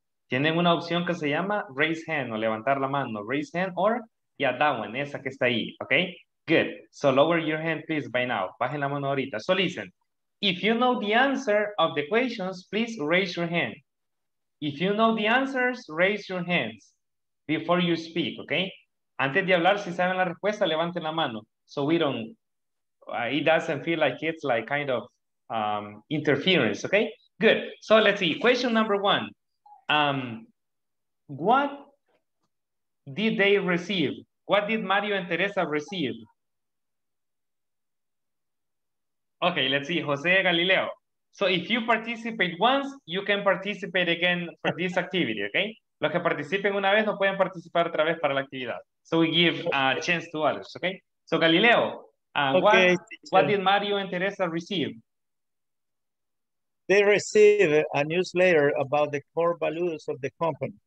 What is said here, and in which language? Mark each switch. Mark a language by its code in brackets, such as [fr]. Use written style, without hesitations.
[es] Tienen una opción que se llama raise hand, o levantar la mano, raise hand, [en] or yeah, that one, [es] esa que está ahí, okay? Good. [en] So lower your hand, please, by now. [es] Bajen la mano ahorita. [en] So listen. If you know the answer of the questions, please raise your hand. If you know the answers, raise your hands before you speak, okay? [es] Antes de hablar, si saben la respuesta, levanten la mano. [en] So we don't, it doesn't feel like it's like kind of interference, okay? Good. So let's see. Question number one. What did they receive? What did Mario and Teresa receive? Okay, let's see. Jose Galileo. So if you participate once, you can participate again for this activity, okay? [es] Los que participen una vez no pueden participar otra vez para la actividad. [en] So we give a chance to others, okay? So Galileo, what did Mario and Teresa receive? They receive a newsletter about the core values of the company.